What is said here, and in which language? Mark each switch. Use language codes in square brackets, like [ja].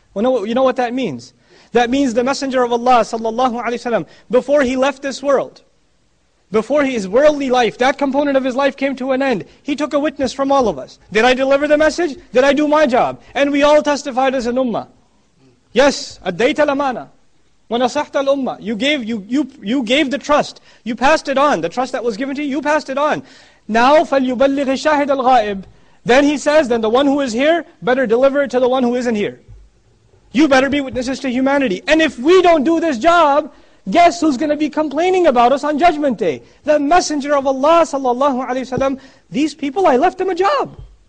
[en] Well, you know what that means? That means the messenger of Allah, sallallahu alayhi wasalam, before he left this world, before his worldly life, that component of his life came to an end, he took a witness from all of us. Did I deliver the message? Did I do my job? And we all testified as an ummah. Yes, [ar] addayta al-amana, wa nasahta al-ummah. [en] You gave the trust. You passed it on. The trust that was given to you, you passed it on. Now, [ar] فَلْيُبَلِّغِ الشَّاهِدَ الْغَائِبِ. [en] Then he says, then the one who is here, better deliver it to the one who isn't here. You better be witnesses to humanity. And if we don't do this job, guess who's going to be complaining about us on Judgment Day? The Messenger of Allah sallallahu alayhi wa sallam. These people, I left them a job.